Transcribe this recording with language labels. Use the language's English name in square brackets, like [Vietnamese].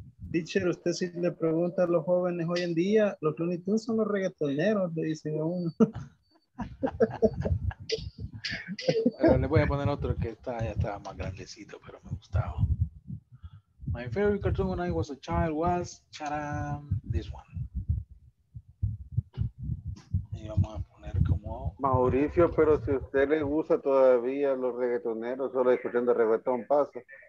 [Spanish] Teacher, usted si le pregunta a los jóvenes hoy en día, los Looney Tunes son los reggaetoneros, le dicen a uno. Bueno, le voy a poner otro que está, ya estaba más grandecito, pero me gustaba. [English] My favorite cartoon when I was a child was, charam, this one. [Spanish] Vamos a poner como Mauricio, pero si usted le gusta todavía los reggaetoneros, solo escuchando reggaetón pasa.